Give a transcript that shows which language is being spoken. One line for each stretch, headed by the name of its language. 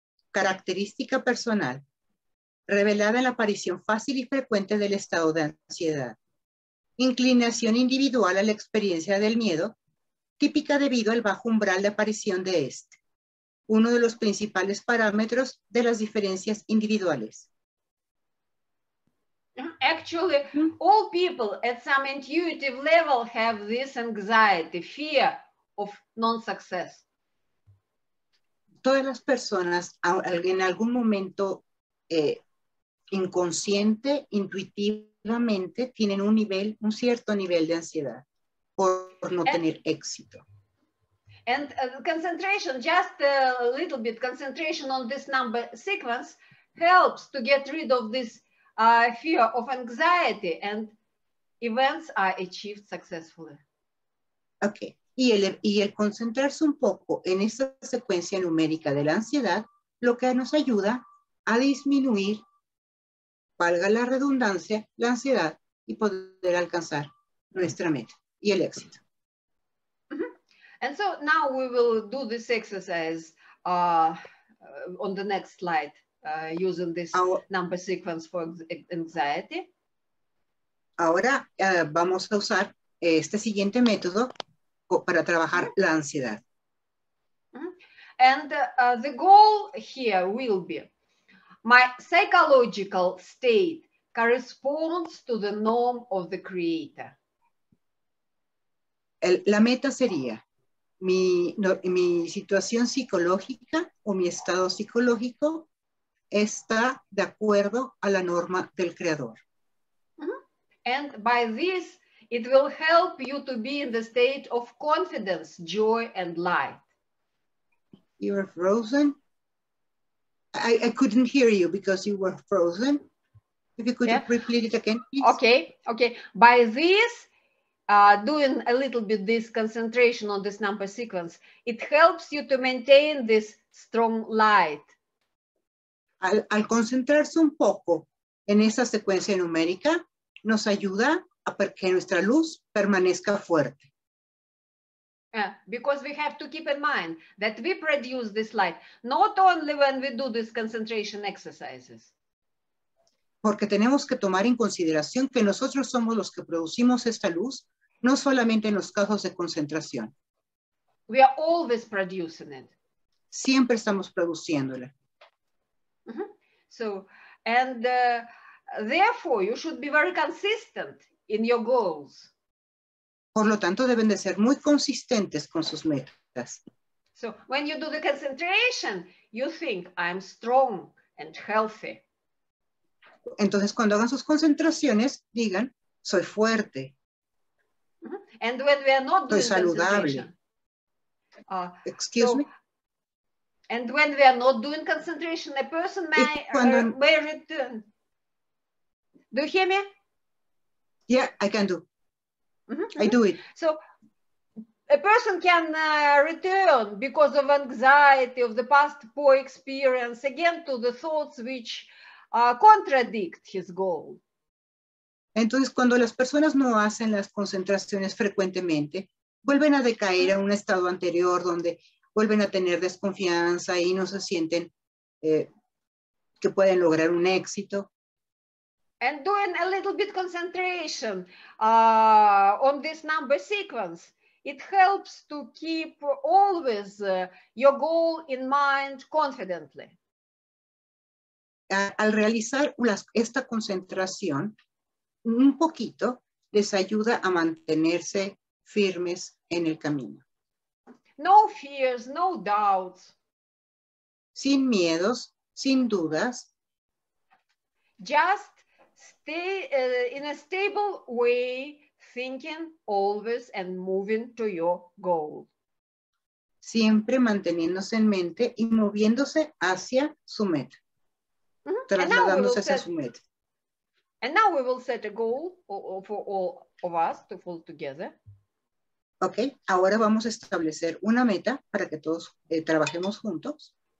Spanish: Característica personal, revelada en la aparición fácil y frecuente del estado de ansiedad. Inclinación individual a la experiencia del miedo, típica debido al bajo umbral de aparición de este. Uno de los principales parámetros de las diferencias individuales.
English: Actually, all people at some intuitive level have this anxiety, fear of non-success.
Spanish: Todas las personas en algún momento inconsciente, intuitivamente, tienen un nivel, un cierto nivel de ansiedad por no tener éxito.
English: And concentration, just a little bit, concentration on this number sequence helps to get rid of this fear of anxiety and events are achieved successfully. Okay.
Spanish: Y el concentrarse un poco en esta secuencia numérica de la ansiedad, lo que nos ayuda a disminuir, valga la redundancia, la ansiedad y poder alcanzar nuestra meta y el éxito.
English: And so now we will do this exercise on the next slide using this number sequence for anxiety.
Spanish: Ahora vamos a usar este siguiente método para trabajar la ansiedad.
English: And the goal here will be my psychological state corresponds to the norm of the creator.
Spanish: La meta sería mi situación psicológica o mi estado psicológico está de acuerdo a la norma del creador.
English: And by this, it will help you to be in the state of confidence, joy, and light. You are frozen. I couldn't hear you because you were frozen. If you could repeat it again, please. Okay. By this, doing a little bit this concentration on this number sequence, it helps you to maintain this strong light.
Spanish: Al concentrarse un poco en esa secuencia numérica, nos ayuda a que nuestra luz permanezca fuerte.
English: Yeah, because we have to keep in mind that we produce this light not only when we do these concentration exercises.
Spanish: Porque tenemos que tomar en consideración que nosotros somos los que producimos esta luz, no solamente en los casos de concentración.
English: We are always producing it.
Spanish: Siempre estamos produciéndola.
English: So, and therefore, you should be very consistent in your goals.
Spanish: Por lo tanto, deben de ser muy consistentes con sus metas.
English: So, when you do the concentration, you think, I'm strong and healthy.
Spanish: Entonces, cuando hagan sus concentraciones, digan, soy fuerte.
English: And when we are not doing
Spanish: saludable.
English: Concentration. Excuse me? And when we are not doing concentration, a person may, may return. Do you hear me? Yeah, I can do. I do it. So a person can return because of anxiety, of the past poor experience, again to the thoughts which contradict his goal.
Spanish: Entonces, cuando las personas no hacen las concentraciones frecuentemente, vuelven a decaer a un estado anterior donde vuelven a tener desconfianza y no se sienten que pueden lograr un éxito.
English: And doing a little bit concentration on this number sequence, it helps to keep always your goal in mind confidently.
Spanish: Al realizar esta concentración, un poquito les ayuda a mantenerse firmes en el camino.
English: No fears, no doubts.
Spanish: Sin miedos, sin dudas.
English: Just stay in a stable way, thinking always and moving to your goal.
Spanish: Siempre manteniéndose en mente y moviéndose hacia su meta. Trasladándose hacia su meta.
English: And now we will set a goal for all of us to fall together.
Spanish: Okay, ahora vamos a establecer una meta para que todos trabajemos juntos.